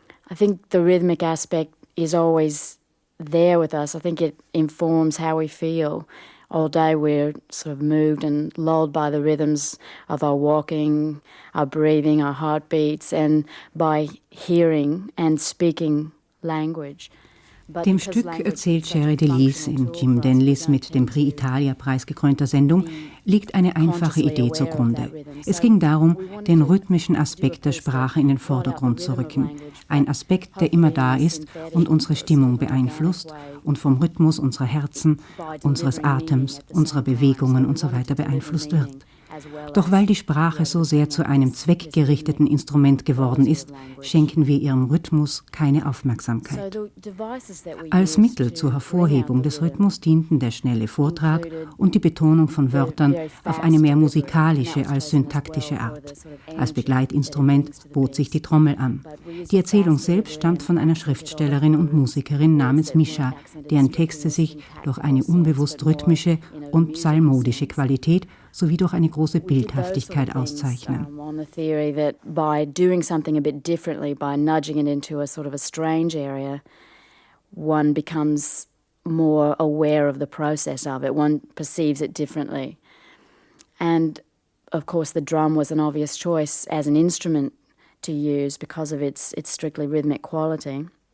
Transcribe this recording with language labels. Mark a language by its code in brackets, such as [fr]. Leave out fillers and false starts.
[en] I think the rhythmic aspect is always there with us. I think it informs how we feel. All day we're sort of moved and lulled by the rhythms of our walking, our breathing, our heartbeats, and by hearing and speaking language. [de] Dem Stück erzählt Sherry DeLise in Jim Denlis mit dem Prix Italia preisgekrönter Sendung, liegt eine einfache Idee zugrunde. Es ging darum, den rhythmischen Aspekt der Sprache in den Vordergrund zu rücken. Ein Aspekt, der immer da ist und unsere Stimmung beeinflusst und vom Rhythmus unserer Herzen, unseres Atems, unserer Bewegungen und so weiter beeinflusst wird. Doch weil die Sprache so sehr zu einem zweckgerichteten Instrument geworden ist, schenken wir ihrem Rhythmus keine Aufmerksamkeit. Als Mittel zur Hervorhebung des Rhythmus dienten der schnelle Vortrag und die Betonung von Wörtern auf eine mehr musikalische als syntaktische Art. Als Begleitinstrument bot sich die Trommel an. Die Erzählung selbst stammt von einer Schriftstellerin und Musikerin namens Misha, deren Texte sich durch eine unbewusst rhythmische und psalmodische Qualität sowie durch eine große Bildhaftigkeit auszeichnen. [en] On the theory that by doing something a bit differently, by nudging it into a sort of a strange area, one becomes more aware of the process of it. One perceives it differently. And of course, the drum was an obvious choice as an instrument to use because of its strictly rhythmic quality.